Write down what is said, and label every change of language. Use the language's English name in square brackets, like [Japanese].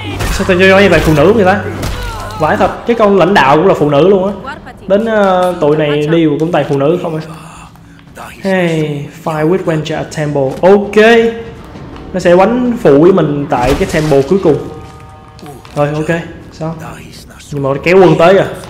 [Vietnamese] Sao tao nói về phụ nữ vậy ta? Vãi thật, cái con lãnh đạo cũng là phụ nữ luôn á. Đến tụi này đi cũng tại phụ nữ không ạ. [English] Hey, fight with Wencha at temple. Ok. [Vietnamese] Nó sẽ quánh phụ với mình tại cái temple cuối cùng. Rồi ok, sao? Nhưng mà nó kéo quân tới à.